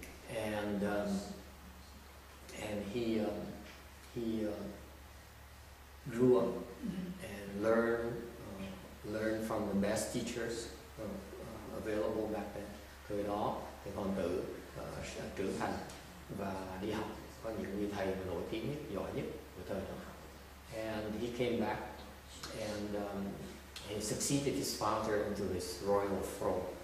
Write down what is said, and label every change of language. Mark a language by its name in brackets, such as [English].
[English] And he grew up and learned from the best teachers available back then. [Vietnamese] Thời đó thì còn tự trưởng thành và đi học có những vị thầy nổi tiếng nhất, giỏi nhất của thời đó. [English] And he came back and he succeeded his father into his royal throne.